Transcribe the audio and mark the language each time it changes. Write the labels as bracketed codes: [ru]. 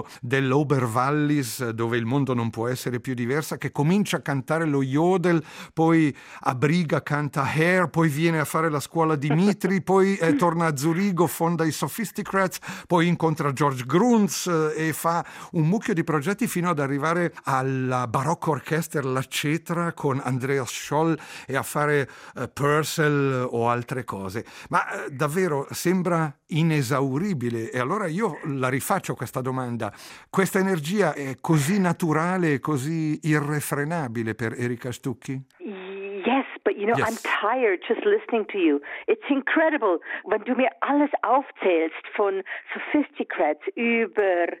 [it] dell'Oberwallis, dove il mondo non può essere più diversa, che comincia a cantare lo yodel, poi a Briga canta Hair, poi viene a fare la scuola Dimitri, poi torna a Zurigo, fonda i Sophisticrats, poi incontra George Grunz e fa un mucchio di progetti fino ad arrivare alla Barocco Orchestra La Cetra con Andreas Scholl e a fare Purcell o altre cose. Ma davvero sembra inesauribile. E allora io la rifaccio questa domanda. Questa energia è così naturale, così irrefrenabile per Erika Stucchi? [en] Yes, but you know, yes. I'm tired just listening to you. It's incredible. [de] Wenn du mir alles aufzählst von Sophisticrats über...